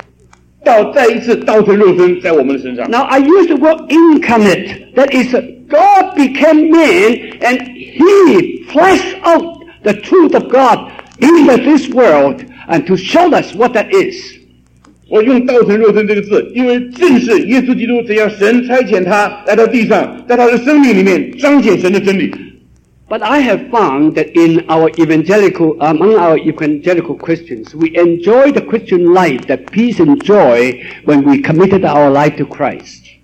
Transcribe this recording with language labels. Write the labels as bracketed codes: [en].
[zh] 若是我们要有这些圣灵的果子，在这里有谦虚、温柔、忍耐、爱心，我们必须让神的话再一次道成肉身在我们的身上。 [en] Now I use the word incarnate. That is, God became man and He fleshed out the truth of God into this world and to show us what that is. [zh] 我用道成肉身这个字，因为正是耶稣基督怎样神差遣他来到地上，在他的生命里面彰显神的真理。 [en] But I have found that in our evangelical, among our evangelical Christians, we enjoy the Christian life, the peace and joy when we committed our life to Christ.